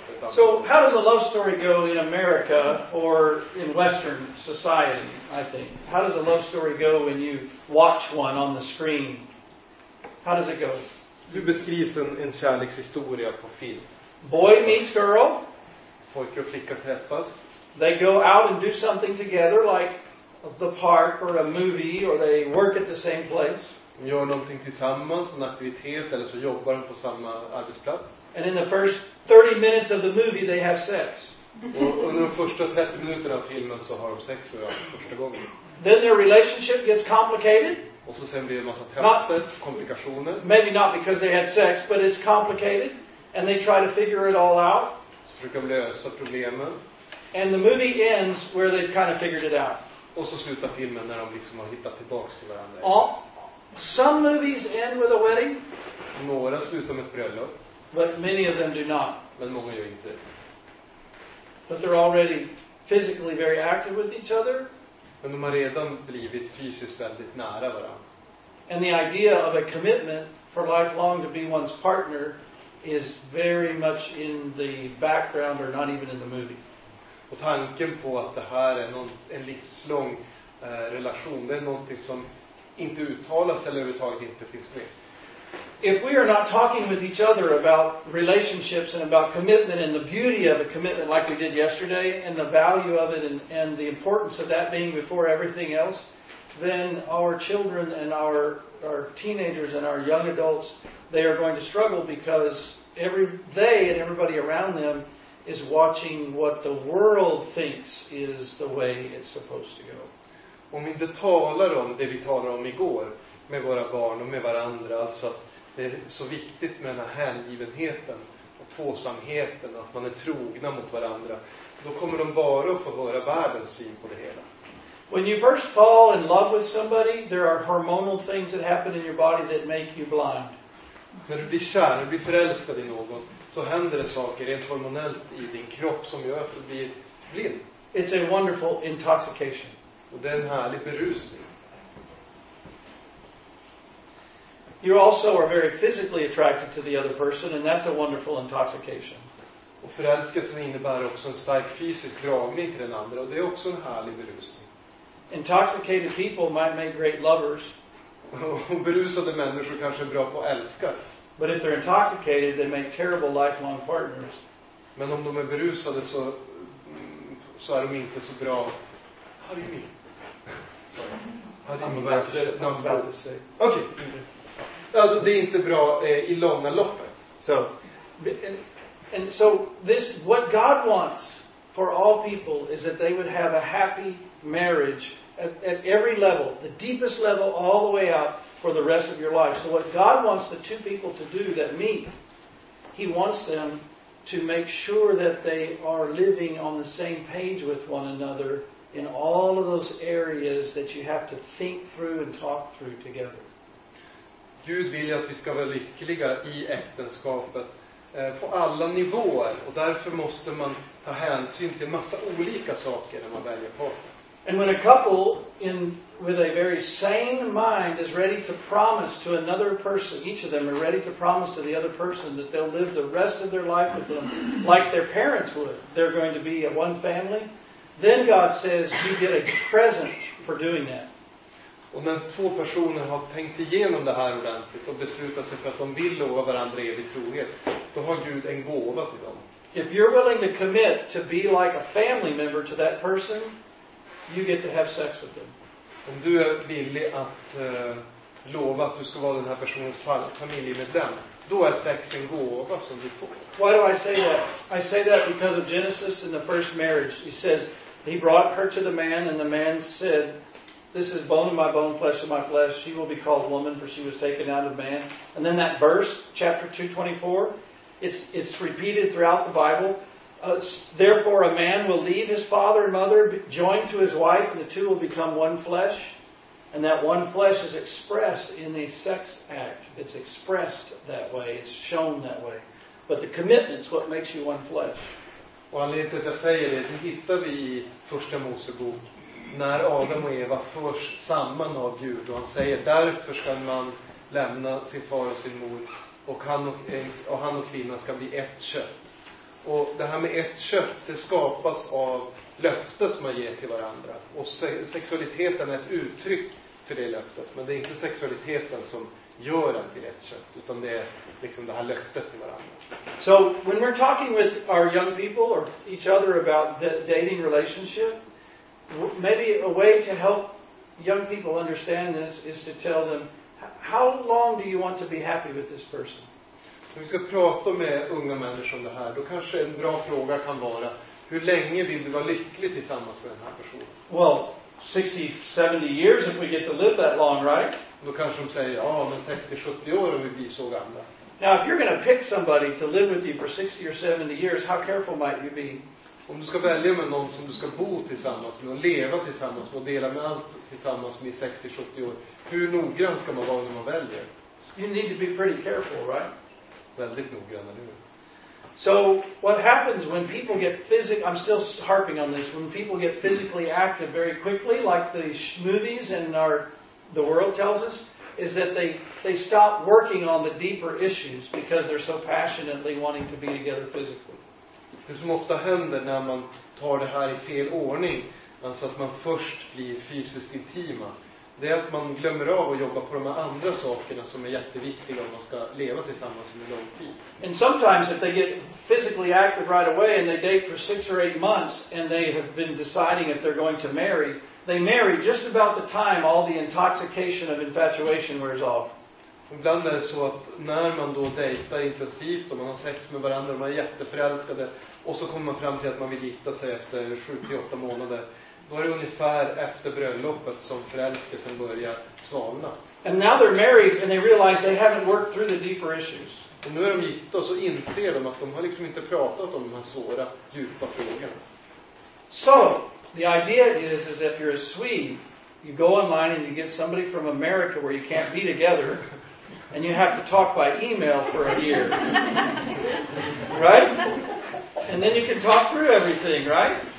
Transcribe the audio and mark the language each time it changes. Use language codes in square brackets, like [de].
[en] So how does a love story go in America or in Western society, I think? How does a love story go when you watch one on the screen? How does it go? [sv] Hur beskrivs en kärlekshistoria på film? [en] Boy meets girl. [sv] Pojke och flicka träffas. [en] They go out and do something together, like the park or a movie, or they work at the same place. [sv] Gör någonting tillsammans, en aktivitet, eller så jobbar de på samma arbetsplats. [en] And in the first 30 minutes of the movie they have sex. [sv] Och under de första 30 minuterna av filmen så har de sex för första gången. [en] Then their relationship gets complicated. [sv] Och så sen blir det en massa trasser, komplikationer. [en] Maybe not because they had sex, but it's complicated. And they try to figure it all out. [sv] Så försöker de lösa problemen. [en] And the movie ends where they've kind of figured it out. [sv] Och så slutar filmen när de liksom har hittat tillbaka till varandra. [en] Some movies end with a wedding. [sv] Några slutar med ett bröllop. [en] But many of them do not. [sv] Men många gör inte. [en] But they're already physically very active with each other. [sv] Men de har redan blivit fysiskt väldigt nära varandra. [en] And the idea of a commitment for lifelong to be one's partner is very much in the background or not even in the movie. [sv] Och tanken på att det här är en livslång relation, det är någonting som inte uttalas eller överhuvudtaget inte finns med. [en] If we are not talking with each other about relationships and about commitment and the beauty of a commitment like we did yesterday and the value of it and the importance of that being before everything else, then our children and our teenagers and our young adults, they are going to struggle because they and everybody around them is watching what the world thinks is the way it's supposed to go. [sv] Om vi inte talar om det vi talade om igår med våra barn och med varandra, alltså det är så viktigt med den här hängivenheten och tvåsamheten, att man är trogna mot varandra. då kommer de bara att få höra världens syn på det hela. [en] When you first fall in love with somebody, there are hormonal things that happen in your body that make you blind. [sv] När du blir kär, när du blir förälskad i någon, så händer det saker rent hormonellt i din kropp som gör att du blir blind. [en] It's a wonderful intoxication. [sv] Och det är en härlig berusning. [en] You also are very physically attracted to the other person, and that's a wonderful intoxication. [sv] Och förälskelsen innebär också en stark fysisk dragning till den andra, och det är också en härlig berusning. [en] Intoxicated people might make great lovers. [sv] Och berusade människor kanske är bra på att älska. [en] But if they're intoxicated, they make terrible lifelong partners. [sv] Men om de är berusade så är de inte så bra. [en] How do you mean? I'm about to say. Okay. [sv] Alltså, det är inte bra i långa loppet. [en] So, and so this what God wants for all people is that they would have a happy marriage at every level, the deepest level all the way out for the rest of your life. So what God wants the two people to do that meet, he wants them to make sure that they are living on the same page with one another in all of those areas that you have to think through and talk through together. [sv] Gud vill att vi ska vara lyckliga i äktenskapet på alla nivåer, och därför måste man ta hänsyn till massa olika saker när man väljer partner. [en] And when a couple in with a very sane mind is ready to promise to another person, each of them are ready to promise to the other person that they'll live the rest of their life with them like their parents would. They're going to be a one family. Then God says you get a present for doing that. [sv] Och när två personer har tänkt igenom det här ordentligt och beslutat sig för att de vill lova varandra evig trohet, då har Gud en gåva till dem. [en] If you're willing to commit to be like a family member to that person, you get to have sex with them. [sv] Om du är villig att lova att du ska vara den här personens familjemedlem, då är sex en gåva som du får. [en] Why do I say that? I say that because of Genesis in the first marriage. He says, he brought her to the man, and the man said, this is bone of my bone, flesh of my flesh. She will be called woman, for she was taken out of man. And then that verse, chapter 2:24, it's repeated throughout the Bible. Therefore, a man will leave his father and mother, joined to his wife, and the two will become one flesh. And that one flesh is expressed in the sex act. It's expressed that way. It's shown that way. But the commitment's what makes you one flesh. [sv] Och anledningen till att jag säger det, det hittar vi i första Mosebok. När Adam och Eva förs samman av Gud, och han säger därför ska man lämna sin far och sin mor, och han och kvinnan ska bli ett kött. Och det här med ett kött, det skapas av löftet man ger till varandra. Och sexualiteten är ett uttryck för det löftet, men det är inte sexualiteten som gör en till ett kött, utan det är liksom det här löftet till varandra. [en] So when we're talking with our young people or each other about the dating relationship, maybe a way to help young people understand this is to tell them, how long do you want to be happy with this person? [sv] När vi ska prata med unga människor om det här, då kanske en bra fråga kan vara, hur länge vill du vara lycklig tillsammans med den här personen? [en] Well, 60-70 years if we get to live that long, right? [sv] Då kanske de säger, ja, men 60-70 år om vi blir så gamla. [en] Now, if you're going to pick somebody to live with you for 60 or 70 years, how careful might you be? [sv] Om du ska välja med någon som du ska bo tillsammans med och leva tillsammans med och dela med allt tillsammans med i 60-70 år, hur noggrann ska man vara när man väljer? [en] You need to be pretty careful, right? [sv] Väldigt noggrann, eller hur? [en] So, what happens when people get physically, I'm still harping on this, when people get physically active very quickly, like the movies and the world tells us, is that they stop working on the deeper issues because they're so passionately wanting to be together physically. [sv] Det som ofta händer när man tar det här i fel ordning, alltså att man först blir fysiskt intima, det är att man glömmer av att jobba på de andra sakerna som är jätteviktiga om man ska leva tillsammans under lång tid. [en] And sometimes if they get physically active right away and they date for 6 or 8 months and they have been deciding if they're going to marry, they marry just about the time all the intoxication of infatuation wears off. [sv] Ibland är det så att när man då dejtar intensivt och man har sex med varandra och man är jätteförälskade och så kommer man fram till att man vill gifta sig efter 7-8 månader, då är det ungefär efter bröllopet som förälskelsen börjar svalna. [en] And now they're married and they realize they haven't worked through the deeper issues. [sv] Och nu är de gifta och så inser de att de har liksom inte pratat om de här svåra, djupa frågorna. [en] So, the idea is if you're a Swede, you go online and you get somebody from America where you can't be together, and you have to talk by email for a year. Right? And then you can talk through everything, right?